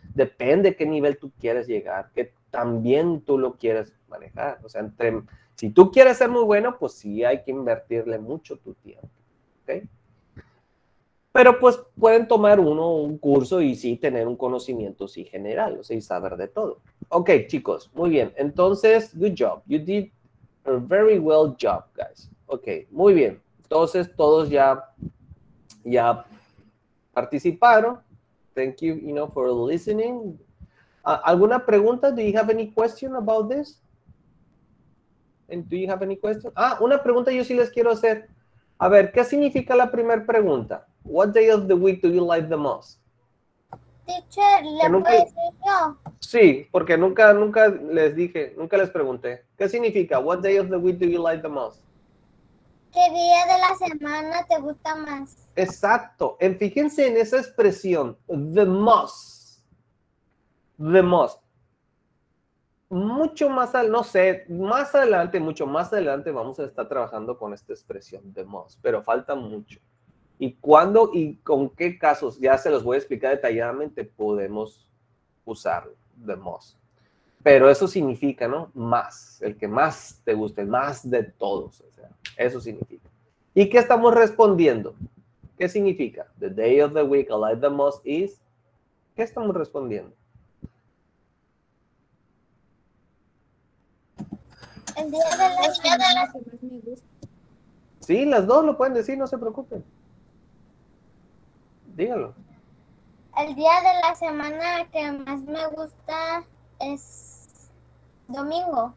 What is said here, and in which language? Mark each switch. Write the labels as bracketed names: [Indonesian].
[Spanish] Depende qué nivel tú quieres llegar, que también tú lo quieres manejar. O sea, si tú quieres ser muy bueno, pues sí hay que invertirle mucho tu tiempo. ¿Ok? Pero pues pueden tomar uno un curso y sí tener un conocimiento sí general, o sea, y saber de todo. Ok, chicos, muy bien. Entonces, [English] good job. You did a very well job, guys. [Spanish] Ok, muy bien. Entonces, todos ya participaron. [English] Thank you, you know, for listening. [Spanish] ¿Alguna pregunta? [English] Do you have any question about this? And do you have any question? [Spanish] Una pregunta yo sí les quiero hacer. A ver, ¿qué significa la primera pregunta? [English] What day of the week do you like the most? [Spanish] Teacher, ¿le nunca... puedo decir yo? Sí, porque nunca les dije, nunca les pregunté. ¿Qué significa? [English] What day of the week do you like the most? [Spanish] ¿Qué día de la semana te gusta más? Exacto. Y fíjense en esa expresión, [English] the most. The most. [Spanish] Mucho más al, no sé, más adelante, mucho más adelante vamos a estar trabajando con esta expresión, [English] the most, [Spanish] pero falta mucho. ¿Y cuándo y con qué casos? Ya se los voy a explicar detalladamente. Podemos usar [English] the most. [Spanish] Pero eso significa, ¿no? Más. El que más te guste. Más de todos. O sea, eso significa. ¿Y qué estamos respondiendo? ¿Qué significa? [English] The day of the week I like the most is... [Spanish] ¿Qué estamos respondiendo? El día de la semana. Sí, las dos lo pueden decir. No se preocupen. Dígalo. El día de la semana que más me gusta es domingo.